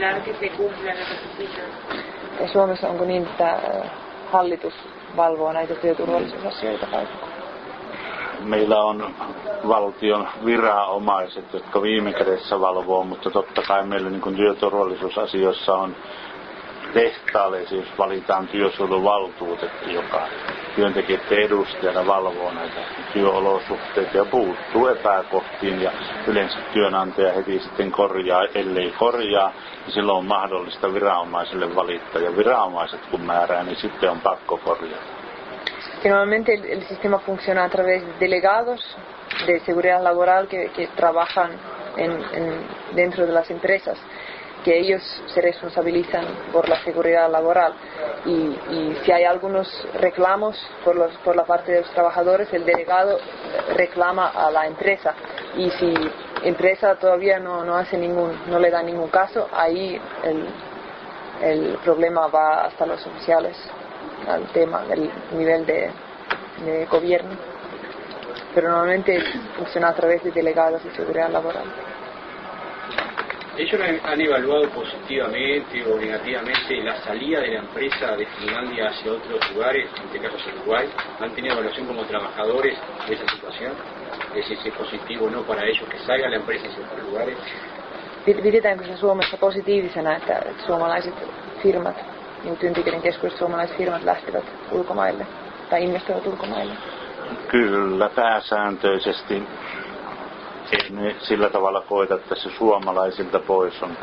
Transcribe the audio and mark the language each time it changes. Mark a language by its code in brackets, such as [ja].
[es] Acá sería por parte del gobierno que controlar que se cumplan los requisitos. [fi] Suomessa onko hallitus valvoo näitä työturvallisuusasioita vai? Meillä on valtion viranomaiset, jotka viime kädessä valvoo, mutta totta kai meillä niin kuin työturvallisuusasioissa on tehtaalle, siis valitaan työsuojeluvaltuutettu, joka työntekijöiden edustajana valvoo näitä työolosuhteita ja puuttuu epäkohtiin, ja yleensä työnantaja heti sitten korjaa, ellei korjaa, niin silloin on mahdollista viranomaisille valittaa, ja viranomaiset kun määrää, niin sitten on pakko korjata. [es] Normalmente el sistema funciona a través de delegados de seguridad laboral que trabajan dentro de las empresas. que ellos se responsabilizan por la seguridad laboral, y si hay algunos reclamos por la parte de los trabajadores, el delegado reclama a la empresa, y si la empresa todavía no le da ningún caso, ahí el problema va hasta los oficiales, al tema del nivel de gobierno. Pero normalmente funciona a través de delegados de seguridad laboral. ¿Ellos han evaluado positivamente o negativamente la salida de la empresa de Finlandia hacia otros lugares, en este caso hacia Uruguay? ¿Han tenido evaluación como trabajadores de esa situación? ¿Es ese positivo o no para ellos que salga la empresa hacia otros lugares? [fi] Pidetään, kun se Suomessa positiivisena, että suomalaiset firmat, niin työntekijöiden keskuudessa suomalaiset firmat lähtevät ulkomaille tai investoivat ulkomaille? Kyllä, pääsääntöisesti ne sillä tavalla koeta, että se suomalaisilta pois on.